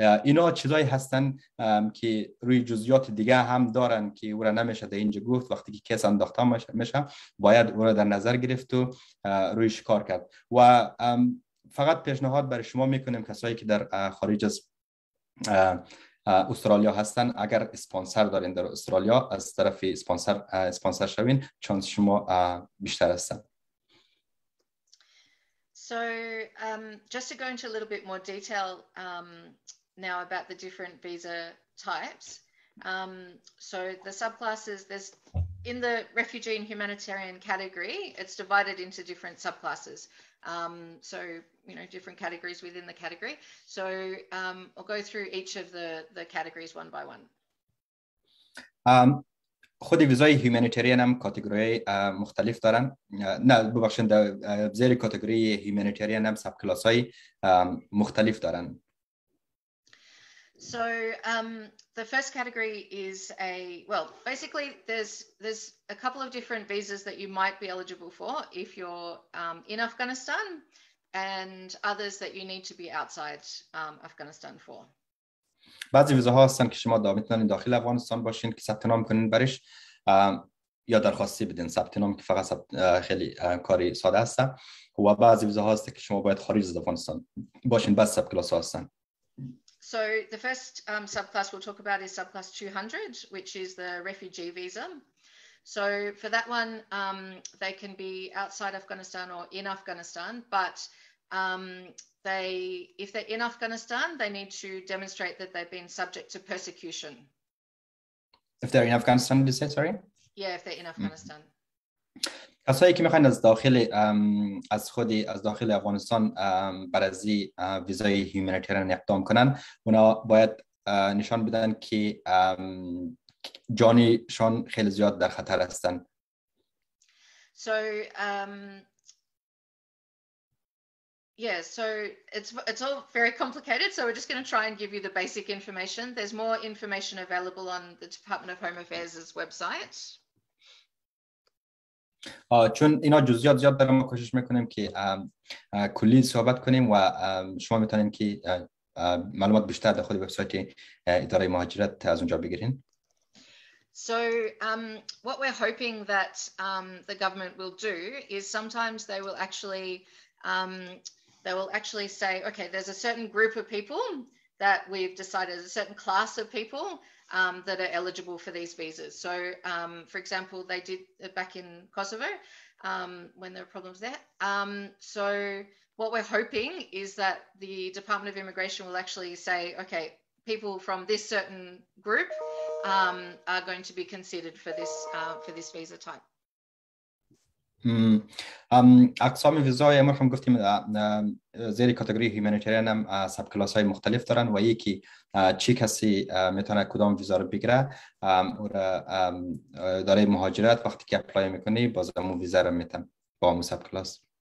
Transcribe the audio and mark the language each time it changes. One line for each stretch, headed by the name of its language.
Persian: اینا چیزایی هستن که روی جزئیات دیگه هم دارن که او را نمیشه در اینجا گفت، وقتی که کس انداخته میشه باید او را در نظر گرفت و رویش کار کرد. و فقط پیشنهاد برای شما میکنیم کسایی که در خارج از استرالیا هستن اگر اسپانسر دارین در استرالیا از طرف اسپانسر اسپانسر شوین چون شما بیشتر هستن
English: So just to go into a little bit more detail now about the different visa types. So the subclasses, there's in the refugee and humanitarian category, it's divided into different subclasses. So, you know, different categories within the category. So I'll go through each of the categories one by one.
Persian: خود ویزای هیومانیتریان هم کاتگوری مختلف دارن نه ببخشید در زیر کاتگوری هیومانیتریان هم سب کلاس های مختلف دارن
English: So the first category is a well basically there's a couple of different visas that you might be eligible for if you're in Afghanistan and others that you need to be outside Afghanistan for
Persian: بعضی ویزاها هستن که شما دا میتونین داخل افغانستان باشین که ثبت نام کنین برش یا درخواستی بدین ثبت نام که فقط خیلی کاری ساده هست و بعضی ویزاها هست که شما باید خارج از افغانستان باشین بس سب کلاس ها هستن
English: So the first subclass we'll talk about is subclass 200 which is the refugee visa So for that one they can be outside Afghanistan or in Afghanistan but They, if they're in Afghanistan, they need to demonstrate that they've been subject to persecution. If they're in Afghanistan, you said, sorry? Yeah, if they're in Afghanistan.
Persian: کسایی که میخواین از داخل از خودی از داخل افغانستان برای ویزای هیومانیتریان اقدام کنن اونا باید نشان بدن که جانشان خیلی زیاد در خطر هستن.
English: So, Yeah, so it's all very complicated. So we're just going to try and give you the basic information. There's more information available on the Department of Home Affairs' website.
Persian: چون اینا جزئیات زیاد داره ما کوشش میکنیم که کلی صحبت کنیم و شما میتونید که معلومات بیشتر در خود وبسایت اداره مهاجرت از اونجا بگیرین.
English: So what we're hoping that the government will do is sometimes they will actually They will actually say, okay, there's a certain group of people that we've decided, a certain class of people that are eligible for these visas. So, for example, they did it back in Kosovo when there were problems there. So what we're hoping is that the Department of Immigration will actually say, okay, people from this certain group are going to be considered for this visa type.
Persian: اقسام ویزای امر هم گفتیم زیر کاتگوری هیومانیتریان هم سب کلاس های مختلف دارن و یکی چی کسی میتونه کدام ویزا رو بگیره او را داره مهاجرت وقتی که اپلای میکنی بازم اون ویزا رو میتن با اون سب کلاس